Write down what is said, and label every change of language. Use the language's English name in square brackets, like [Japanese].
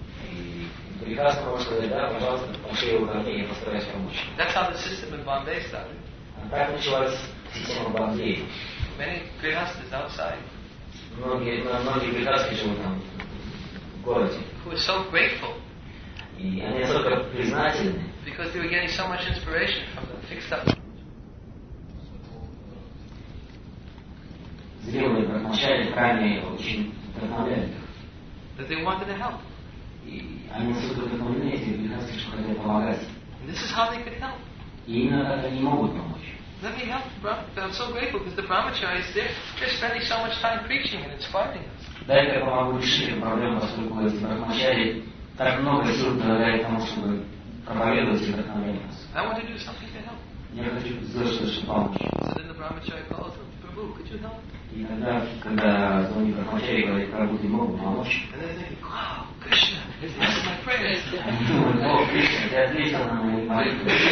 [Russian] И приказ того, что да, пожалуйста, пошли его ко мне, я постараюсь помочь. [English] That's how the system in Bombay started. [Russian] Так началась система Бомбея. [English] Many grihasthas outside. [Russian] Многие грихасты живут там, в городе. [English] Who are so grateful. [Russian] И они настолько признательны. [English] Because they were getting so much inspiration from the fixed up. [Russian] Зрелые промолчали, крайне очень вдохновляют. [English] That they wanted to help. [Russian] И они настолько вдохновлены, эти грихасты, что хотели помогать. [English] And this is how they could help. [Russian] И иногда они могут помочь. [English] Let me help the Brahmacharya. I'm so grateful because the Brahmacharya is there. They're spending so much time preaching and inspiring us. [Russian] Дай я помогу решить эту проблему, поскольку эти Брахмачари так много сил прилагают тому, чтобы проповедовать и вдохновлять нас. [English] I want to do something to help. [Russian] Я хочу сделать что-то, чтобы помочь. [English] So then the Brahmacharya calls him, Prabhu, could you help? [Russian] И тогда, когда звонит Брахмачари, говорит, Прабху, ты мог бы помочь? [English] And then they think, wow, Krishna, this is my prayer. [Russian] Они думают, о, Кришна, ты ответил на мои молитвы.